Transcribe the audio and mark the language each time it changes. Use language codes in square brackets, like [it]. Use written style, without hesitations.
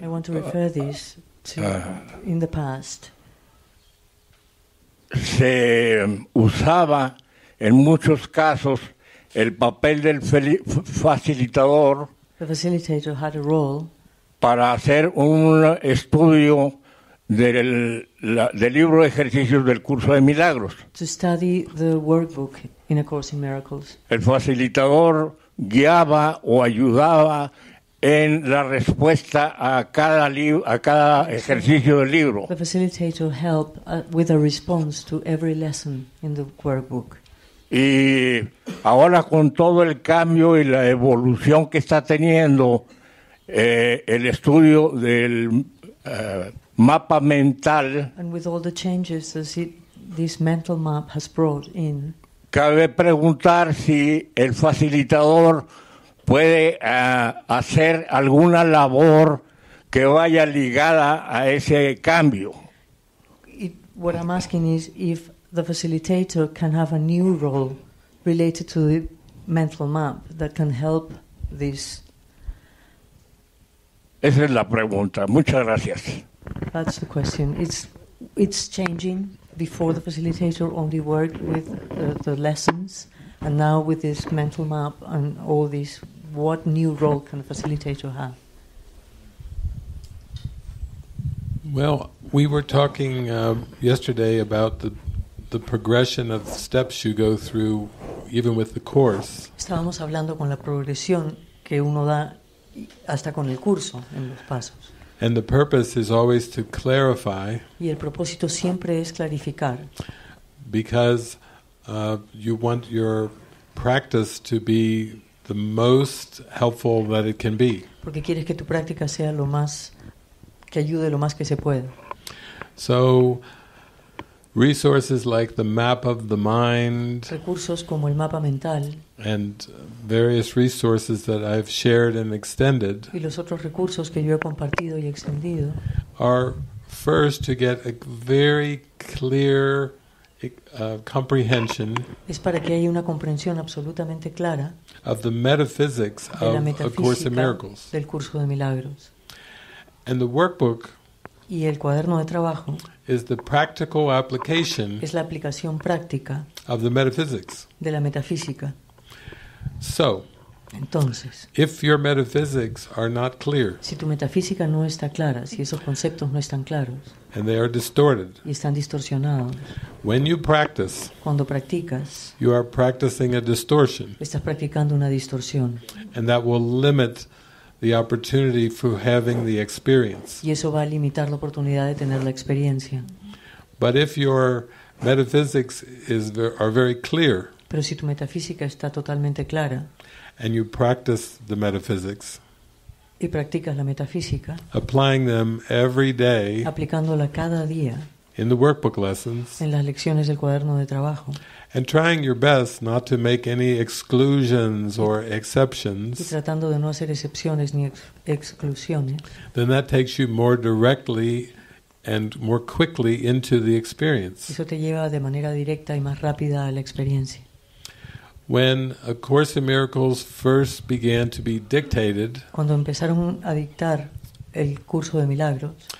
[en] I want to refer this to in the past, [es] se usaba en muchos casos el papel del facilitador, [en] the facilitator had a role, [es] para hacer un estudio del libro de ejercicios del curso de milagros. [en] To study the workbook in A Course in Miracles. [es] El facilitador guiaba o ayudaba en la respuesta a cada ejercicio del libro. [en] The facilitator helped with a response to every lesson in the workbook. [es] Y ahora con todo el cambio y la evolución que está teniendo el estudio del mapa mental, [en] and with all the changes that this mental map has brought in, [es] cabe preguntar si el facilitador puede hacer alguna labor que vaya ligada a ese cambio. [en] What I'm asking is if the facilitator can have a new role related to the mental map that can help this. [es] Esa es la pregunta. Muchas gracias. [en] That's the question. It's changing. Before, the facilitator only worked with the lessons, and now with this mental map and all this, what new role can the facilitator have? Well, we were talking yesterday about the progression of steps you go through, even with the course. [es] Estábamos hablando con la progresión que uno da hasta con el curso en los pasos. [en] And the purpose is always to clarify. [es] Y el propósito siempre es clarificar. [en] Because you want your practice to be the most helpful that it can be. [es] Porque quieres que tu práctica sea lo más que ayude lo más que se pueda. [en] So resources like the map of the mind. [es] Recursos como el mapa mental. [en] And various resources that I've shared and extended. [es] Y los otros recursos que yo he compartido y extendido. [en] Are first to get a very clear comprehension. [es] Es para que haya una comprensión absolutamente clara. [en] Of the metaphysics of A Course in Miracles. [es] Del curso de milagros. [en] And the workbook. [es] Y el cuaderno de trabajo. [en] Is the practical application. [es] Es la aplicación práctica. [en] Of the metaphysics. [es] De la metafísica. [en] So, [es] entonces, [en] if your metaphysics are not clear, [es] si tu metafísica no está clara, si esos conceptos no están claros, [en] and they are distorted, [es] y están distorsionados, [en] when you practice, [es] cuando practicas, [en] you are practicing a distortion, [es] estás practicando una distorsión, [en] and that will limit the opportunity for having the experience. [es] Y eso va a limitar la oportunidad de tener la experiencia. [en] But if your metaphysics are very clear, [es] pero si tu metafísica está totalmente clara, [en] and you practice the metaphysics, [es] y practicas la metafísica, [en] applying them every day, [es] aplicándola cada día, [en] in the workbook lessons, [es] en las lecciones del cuaderno de trabajo, [en] and trying your best not to make any exclusions or exceptions, [es] y tratando de no hacer excepciones ni exclusiones, [en] then that takes you more directly and more quickly into the experience. [es] Eso te lleva de manera directa y más rápida a la experiencia. [en] When A Course in Miracles first began to be dictated, [es] cuando empezaron a dictar el curso de milagros,